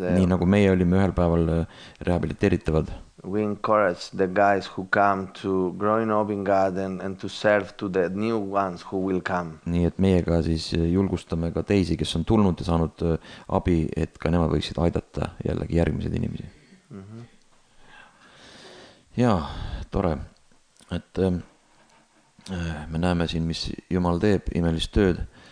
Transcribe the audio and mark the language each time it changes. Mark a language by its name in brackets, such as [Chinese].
[Estonian] Nii nagu meie olime ühel päeval rehabiliteeritavad. [English] We encourage the guys who come to growing up in God and to serve to the new ones who will come. [Estonian] Nii et meie ka siis julgustame ka teisi, kes on tulnud ja saanud abi, et ka nemad võiksid aidata jällegi järgmised inimesi. Mm-hmm. Jaa, tore. Et me näeme siin, mis Jumal teeb, imelist tööd.